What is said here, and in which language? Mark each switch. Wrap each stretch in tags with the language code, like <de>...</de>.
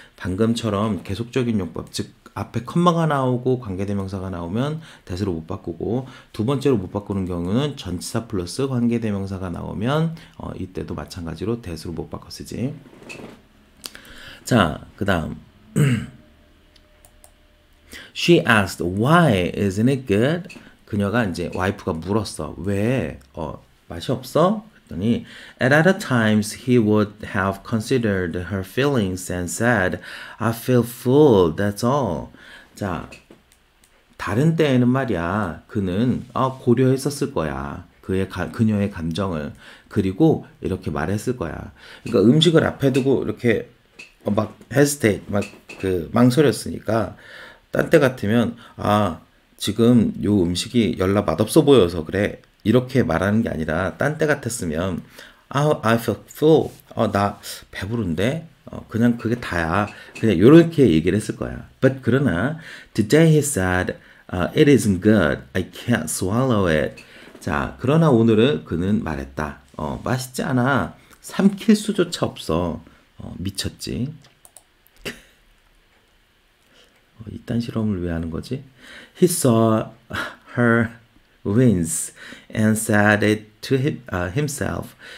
<ko>방금처럼 계속적인 용법, 즉 앞에 컴마가 나오고 관계대명사가 나오면 대수로 못 바꾸고, 두 번째로 못 바꾸는 경우는 전치사 플러스 관계대명사가 나오면 이때도 마찬가지로 대수로 못 바꿔 쓰지. 자, 그 다음.</ko> <en>She asked, why isn't it good?</en> <ko>그녀가 이제 와이프가 물었어. 왜 맛이 없어?</ko> <en>그랬더니 At other times he would have considered her feelings and said, I feel full, that's all.</en> <ko>자, 다른 때에는 말이야, 그는 고려했었을 거야. 그녀의 감정을. 그리고 이렇게 말했을 거야. 그러니까 음식을 앞에 두고 이렇게 막 hesitate, 막그 망설였으니까, 딴때 같으면, 아, 지금 요 음식이 열나 맛없어 보여서 그래. 이렇게 말하는 게 아니라, 딴때 같았으면,</ko> <en>I feel full.</en> <ko>나 배부른데? 그냥 그게 다야. 그냥 요렇게 얘기를 했을 거야.</ko> <en>But 그러나, today he said, it isn't good. I can't swallow it.</en> <ko>자, 그러나 오늘은 그는 말했다. 맛있지 않아. 삼킬 수조차 없어. 미쳤지. 이딴 실험을 왜 하는 거지?</ko> <en>He saw her wince and said it to himself.</en>